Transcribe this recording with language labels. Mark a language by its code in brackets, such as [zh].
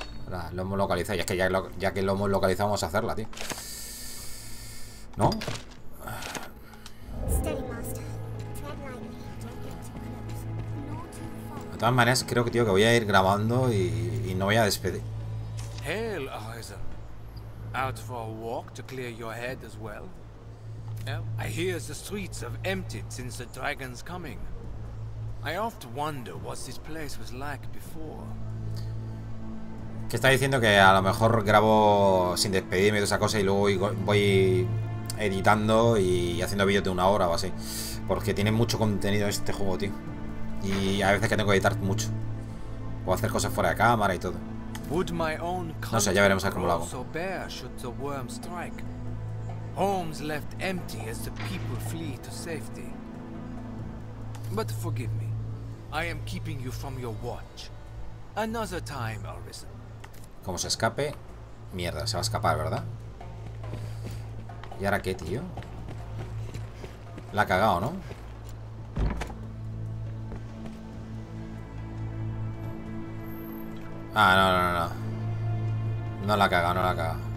[es] La, lo hemos localizado. Y es que ya que lo hemos localizado, vamos a hacerla, tío. ¿No? De todas maneras, creo que, tío, que voy a ir grabando y no voy a despedir. [en] Hail, Arisen. Out for a walk to clear your head as well. I hear the streets have emptied since the dragon's coming. I oft wonder what this place was like before. [es] ¿Qué está diciendo? Que a lo mejor grabo sin despedirme de esa cosa y luego voy editando y haciendo vídeos de una hora o así. Porque tiene mucho contenido este juego, tío. Y a veces que tengo que editar mucho. O hacer cosas fuera de cámara y todo. [en] Would my own [es] no sé, ya veremos a cómo lo hago. [en] So bare should the worm strike. Homes left empty as the people flee to safety. But forgive me, I am keeping you from your watch. Another time, Arisen. [es] Como se escape, mierda, se va a escapar, ¿verdad? ¿Y ahora qué, tío? La ha cagado, ¿no? Ah, no, no, no. No la caga, no la caga.